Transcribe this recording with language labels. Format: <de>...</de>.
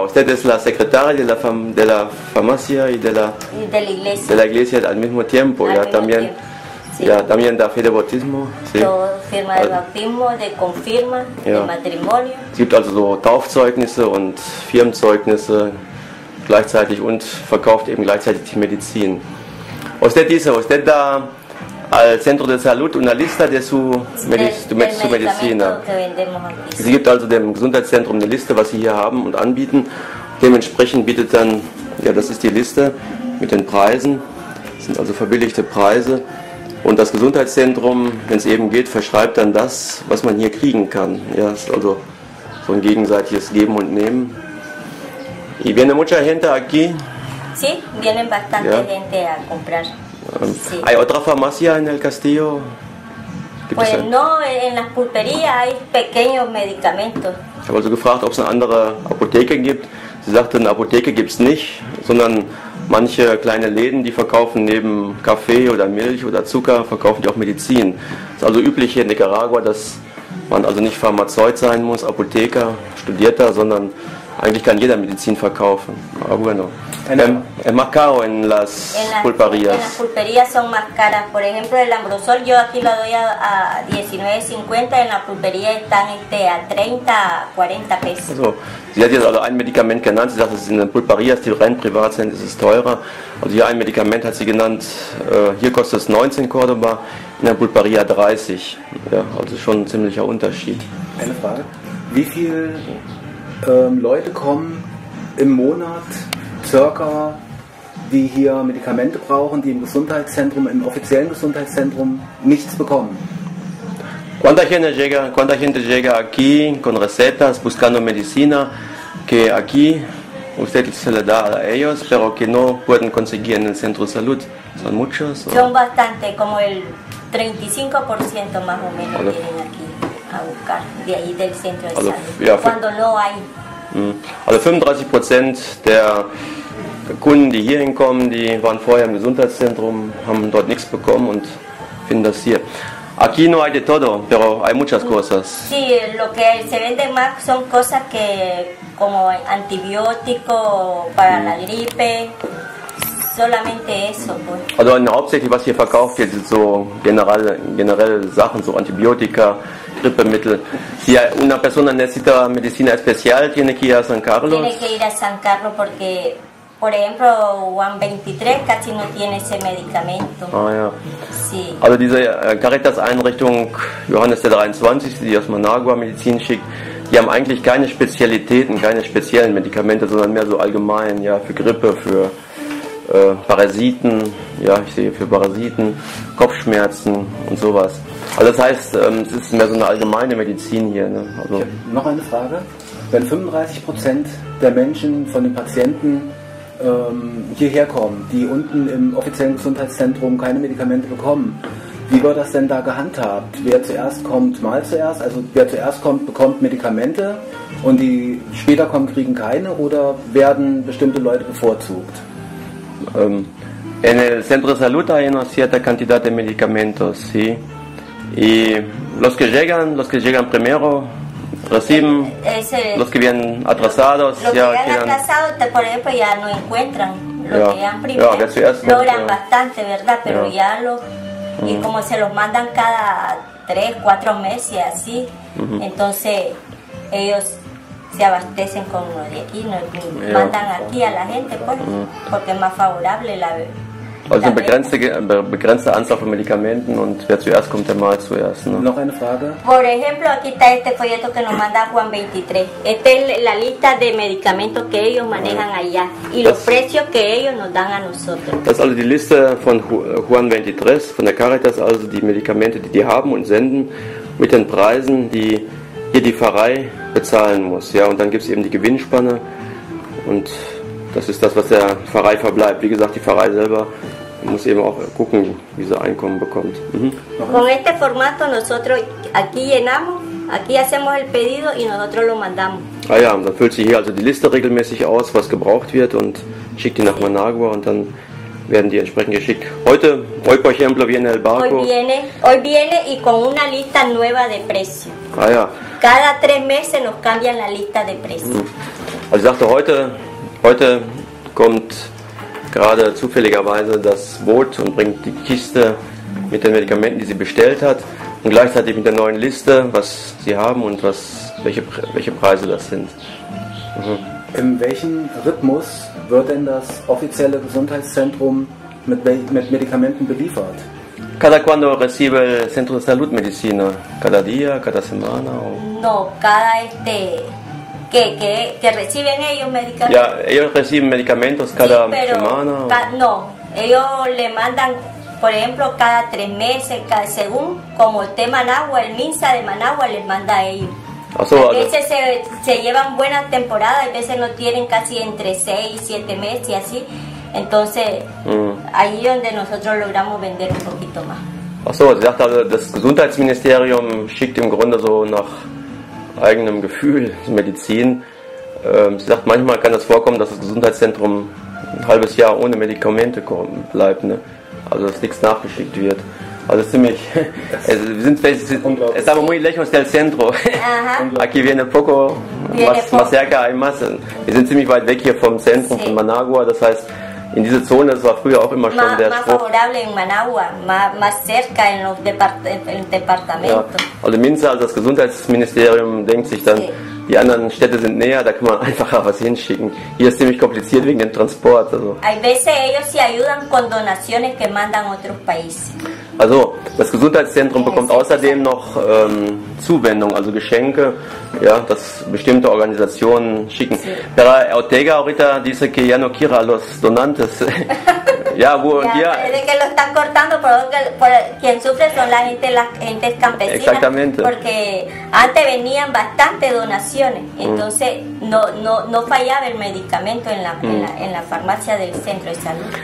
<es>Usted es la secretaria de la farmacia y de la iglesia. De la iglesia al mismo tiempo. Al ya mismo también. Tiempo. Sí. Ya también da fe de bautismo. Sí. Todo firma de bautismo, de confirma, ja. De matrimonio.</es> <de>Es gibt also so Taufzeugnisse und Firmenzeugnisse gleichzeitig und verkauft eben gleichzeitig die Medizin.</de> <es>Usted dice, usted da al Centro de Salud una lista de su medicina.</es> <de>Sie gibt also dem Gesundheitszentrum eine Liste, was sie hier haben und anbieten. Dementsprechend bietet dann, ja, das ist die Liste mit den Preisen. Das sind also verbilligte Preise. Und das Gesundheitszentrum, wenn es eben geht, verschreibt dann das, was man hier kriegen kann. Ja, das ist also so ein gegenseitiges Geben und Nehmen.</de> <es>Y viene mucha gente aquí. Sí, vienen bastante ja. Gente a comprar. Sí. ¿Hay otra farmacia en el castillo? Pues no, en las pulperías hay pequeños medicamentos.</es> <de>Ich habe also gefragt, ob es eine andere Apotheke gibt. Sie sagte, eine Apotheke gibt es nicht, sondern manche kleine Läden, die verkaufen neben Kaffee oder Milch oder Zucker, verkaufen die auch Medizin. Es ist also üblich hier in Nicaragua, dass man also nicht Pharmazeut sein muss, Apotheker, Studierter, sondern eigentlich kann jeder Medizin verkaufen. Aber</de> <es>bueno. Es más caro en las pulperías. En las pulperías son más caras. Por ejemplo, el Ambrosol yo aquí lo doy a 19,50. En la pulpería están a 30, 40 pesos.</es> <de>Also, sie hat jetzt also ein Medikament genannt. Sie sagt, es ist in den Pulperías, die rein privat sind, ist es teurer. Also hier ein Medikament hat sie genannt. Hier kostet es 19 Cordoba, in der Pulperia 30. Ja, also schon ein ziemlicher Unterschied. Eine Frage. Wie viele Leute kommen im Monat circa, die hier Medikamente brauchen, die im Gesundheitszentrum, im offiziellen Gesundheitszentrum nichts bekommen.</de> <es>¿Cuánta gente llega aquí con recetas buscando medicina que aquí usted se le da a ellos, pero que no pueden conseguir en el centro de salud? Son muchos. ¿O? Son bastante, como el 35% más o menos vienen aquí a buscar de ahí del centro de salud. Ja, cuando no hay.</es> <de>Also 35% der Kunden, die hier hinkommen, die waren vorher im Gesundheitszentrum, haben dort nichts bekommen und finden das hier.</de> <es>Aquí no hay de todo, pero hay muchas cosas. Sí, lo que se vende más son cosas que como antibiótico para la gripe, solamente eso.</es> <de>Also hauptsächlich, was hier verkauft wird, sind so generelle Sachen, so Antibiotika, Grippemittel.</de> <es>Si una persona necesita medicina especial, tiene que ir a San Carlos. Tiene que ir a San Carlos porque, por ejemplo, Juan 23 casi no tiene ese medicamento. Ah, ja. Sí.</es> <de>Also diese Caritas-Einrichtung Johannes der 23, die aus Managua Medizin schickt, die haben eigentlich keine Spezialitäten, keine speziellen Medikamente, sondern mehr so allgemein, ja, für Grippe, für Parasiten, ja, ich sehe für Parasiten, Kopfschmerzen und sowas. Also das heißt, es ist mehr so eine allgemeine Medizin hier. Ne? Also noch eine Frage. Wenn 35% der Menschen von den Patienten hierher kommen, die unten im offiziellen Gesundheitszentrum keine Medikamente bekommen, wie wird das denn da gehandhabt? Wer zuerst kommt, mal zuerst? Also wer zuerst kommt, bekommt Medikamente und die später kommen, kriegen keine? Oder werden bestimmte Leute bevorzugt?</de> <es>En el centro de salud hay una cierta cantidad de medicamentos, sí. Y los que llegan primero reciben, los que vienen atrasados, los ya que llegan quedan atrasados, por ejemplo, ya no encuentran lo ya, que llegan primero. Ya,</es> <de>zuerst,</de> <es>logran ya bastante, ¿verdad? Pero ya, ya lo. Y como se los mandan cada 3, 4 meses, así. Entonces, ellos se abastecen con lo de aquí, no, ni mandan aquí a la gente, pues, porque es más favorable la.</es> <de>Also eine begrenzte Anzahl von Medikamenten und wer zuerst kommt, der mal zuerst. Ne? Noch eine Frage?</de> <es>Por ejemplo, aquí está este folleto que nos manda Juan 23. Esta es la lista de medicamentos que ellos manejan allá y los precios que ellos nos dan a nosotros.</es> <de>Das ist also die Liste von Juan 23, von der Caritas, also die Medikamente, die die haben und senden, mit den Preisen, die hier die Pfarrei bezahlen muss. Ja, und dann gibt es eben die Gewinnspanne und... Das ist das, was der Pfarrei verbleibt. Wie gesagt, die Pfarrei selber muss eben auch gucken, wie sie Einkommen bekommt.</de> <es>Con este formato nosotros aquí llenamos, aquí hacemos el pedido y nosotros lo mandamos.</es> <de>Ah ja, dann füllt sie hier also die Liste regelmäßig aus, was gebraucht wird und schickt die nach Managua und dann werden die entsprechend geschickt. Heute,</de> <es>hoy por ejemplo viene el barco. Hoy viene y con una lista nueva de precios. Ah ja. Cada tres meses nos cambian la lista de precios.</es> <de>Also ich sagte heute. Heute kommt gerade zufälligerweise das Boot und bringt die Kiste mit den Medikamenten, die sie bestellt hat und gleichzeitig mit der neuen Liste, was sie haben und was, welche Preise das sind. In welchem Rhythmus wird denn das offizielle Gesundheitszentrum mit Medikamenten beliefert?</de> <es>¿Cada cuándo recibe el Centro de Salud Medicina? ¿Cada día? ¿Cada semana? O? No, cada este... Que reciben ellos medicamentos. Ya, ellos reciben medicamentos cada semana. No, ellos le mandan, por ejemplo, cada tres meses, según como esté Managua, el MINSA de Managua les manda a ellos. A veces se llevan buenas temporadas, a veces no tienen casi entre 6-7 meses y así. Entonces, ahí donde nosotros logramos vender un poquito más.</es> <de>Achso, sie sagt also, das Gesundheitsministerium schickt im Grunde so nach. Eigenem Gefühl, Medizin. Sie sagt, manchmal kann es vorkommen, dass das Gesundheitszentrum ein halbes Jahr ohne Medikamente bleibt. Ne? Also, dass nichts nachgeschickt wird. Also, ziemlich.</de> <es>Estamos muy lejos del centro. Aquí viene poco, más cerca hay más.</es> <de>Wir sind ziemlich weit weg hier vom Zentrum, von Managua. Das heißt, in dieser Zone, das war früher auch immer schon der Spruch.</de> <es>Más favorable en Managua, más cerca en el departamento.</es> <de>Ja. Also MINSA, also das Gesundheitsministerium, denkt sich dann, die anderen Städte sind näher, da kann man einfacher was hinschicken. Hier ist ziemlich kompliziert wegen dem Transport. Also.</de> <es>Hay veces ellos se ayudan con donaciones que mandan otros países.</es> <de>Also, das Gesundheitszentrum bekommt außerdem noch Zuwendung, also Geschenke, ja, dass bestimmte Organisationen schicken.</de> <es>Pero Ortega ahorita dice que ya no quiere a los donantes.</es> <de>Ja, wo ja, hier...</de> <es>De que lo están cortando, por quien sufre son la gente, gente campesina. Exactamente. Porque antes venían bastante donaciones, entonces no fallaba el medicamento en la farmacia del centro de salud.</es>